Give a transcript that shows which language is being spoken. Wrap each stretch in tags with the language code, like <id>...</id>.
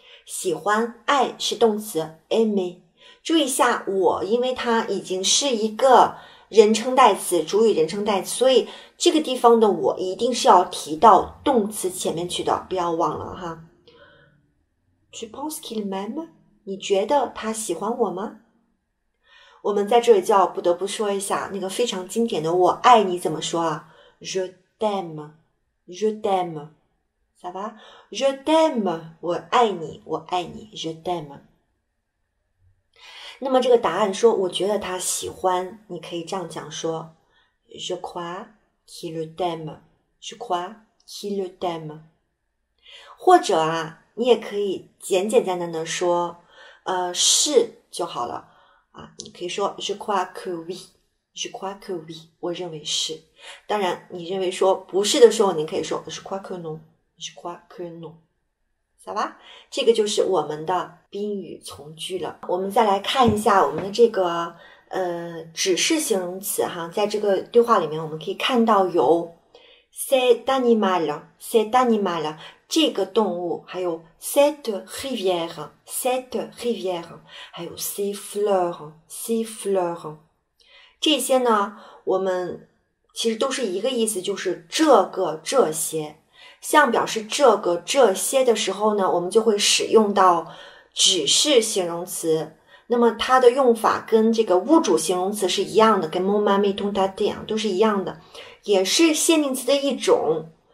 <zh>喜欢，爱是动词 aimer。注意一下，我因为它已经是一个人称代词，主语人称代词，所以这个地方的我一定是要提到动词前面去的，不要忘了哈。</zh> <fr>Tu penses qu'il m'aime？</fr> <zh>你觉得他喜欢我吗？我们在这里就要不得不说一下那个非常经典的“我爱你”怎么说啊 ？</zh> <fr>Je t'aime, je t'aime, ça va? Je t'aime,</fr> <zh>我爱你，我爱你 ，</zh> <fr>je t'aime。</fr> <zh>那么这个答案说，我觉得他喜欢，你可以这样讲说 ：</zh> <fr>Je crois qu'il le t'aime,</fr> <zh>je crois qu'il le t'aime。或者啊，你也可以简简单单的说，是就好了。啊，你可以说</zh> <fr>je crois que oui,</fr> <zh>je crois que oui, 我认为是。当然，你认为说不是的时候，你可以说</zh> <fr>je crois que non,</fr> <zh>je crois que non, 好吧？这个就是我们的宾语从句了。我们再来看一下我们的这个指示形容词哈，在这个对话里面，我们可以看到有</zh> <fr>cet animal,</fr> <zh>cet animal。这个动物，还有</zh> <fr>cette rivière,</fr> <zh>cette rivière, 还有</zh> <fr>ces fleurs,</fr> <zh>ces fleurs。这些呢，我们其实都是一个意思，就是这个、这些。像表示这个、这些的时候呢，我们就会使用到指示形容词。那么它的用法跟这个物主形容词是一样的，跟 mon mami ton tati 都是一样的，也是限定词的一种。</zh>